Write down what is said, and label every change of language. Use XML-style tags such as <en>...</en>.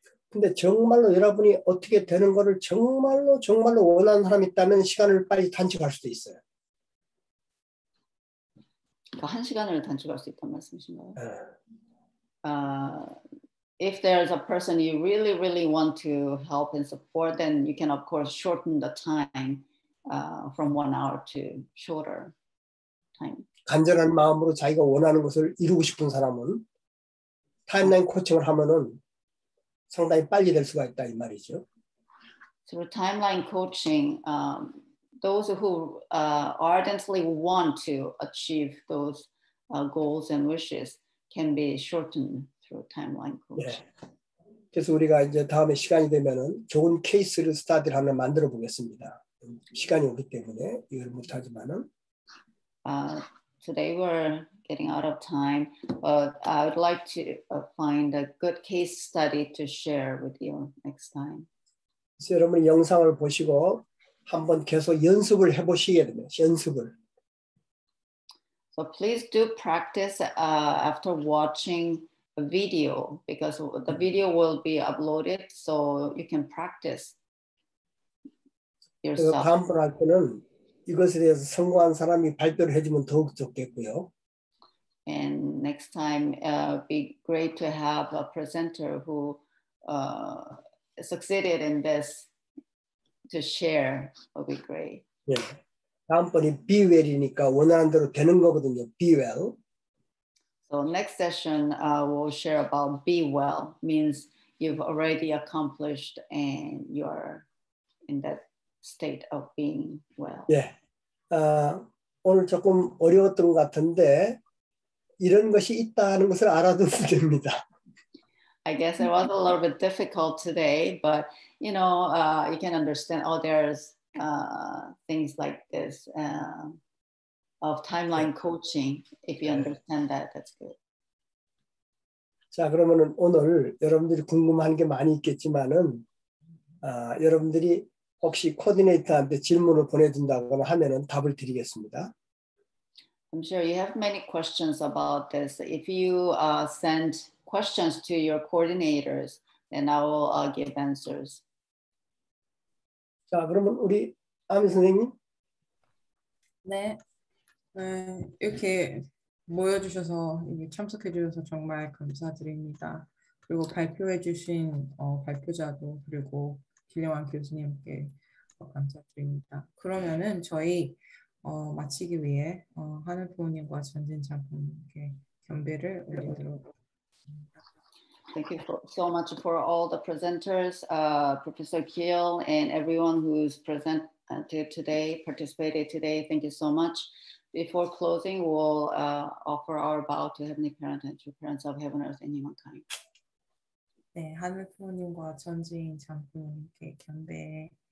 <ko>근데 정말로 여러분이 어떻게 되는 거를 정말로 정말로 원하는 사람이 있다면 시간을 빨리 단축할 수도 있어요. 그러니까 한 시간을 단축할 수 있다는 말씀이신가요?</ko> <en>If there's a person you really, really want to help and support, then you can, of course, shorten the time from 1 hour to shorter time.</en> <ko>간절한 마음으로 자기가 원하는 것을 이루고 싶은 사람은 타임라인 코칭을 하면은 상당히 빨리 될 수가 있다 이 말이죠.</ko> <en>Through timeline coaching, those who ardently want to achieve those goals and wishes can be shortened through timeline coaching.</en> <ko>네. 그래서 우리가 이제 다음에 시간이 되면은 좋은 케이스를 스터디를 하나 만들어 보겠습니다. 시간이 오기 때문에 이걸 못 하지만은.</ko> <en>Today we're getting out of time, but I would like to find a good case study to share with you next time.</en> <ko>여러분 영상을 보시고 한번 계속 연습을 해보시게 됩니다. 연습을.</ko> <en>So please do practice after watching a video, because the video will be uploaded, so you can practice yourself.</en> <ko>다음 번 할 때는 이것에 대해서 성공한 사람이 발표를 해주면 더욱 좋겠고요.</ko> <en>And next time, be great to have a presenter who succeeded in this to share. Will be great.</en> <ko>네, 다음번이 be well이니까 원하는 대로 되는 거거든요.</ko> <en>Be well. So next session, we'll share about be well. Means you've already accomplished and you're in that state of being well.</en> <ko>네, 오늘 조금 어려웠던 것 같은데. 이런 것이 있다는 것을 알아두면 됩니다.</ko> <en>I guess it was a little bit difficult today, but you know, you can understand. Oh, there's things like this of timeline coaching. If you understand that, that's good.</en> <ko>자, 그러면은 오늘 여러분들이 궁금한 게 많이 있겠지만은 여러분들이 혹시 코디네이터한테 질문을 보내준다거나 하면은 답을 드리겠습니다.</ko> <en>I'm sure you have many questions about this. If you send questions to your coordinators, then I will give answers.</en> <ko>자, 그러면 우리 아미 선생님. 네. 이렇게 모여주셔서 참석해주셔서 정말 감사드립니다. 그리고 발표해주신 발표자도 그리고 길레완 교수님께 감사드립니다. 그러면은 저희 마치기 위해 하늘 부모님과 전진창 부모님께 경배를 올리도록 하겠습니다.</ko> <en>Thank you so much for all the presenters, Professor Keel and everyone who's presented today, participated today. Thank you so much. Before closing, we'll offer our bow to Heavenly Parent and to Parents of Heaven, Earth, and Humankind.</en> <ko>네, 하늘 부모님과 전진창 부모님께 경배.</ko>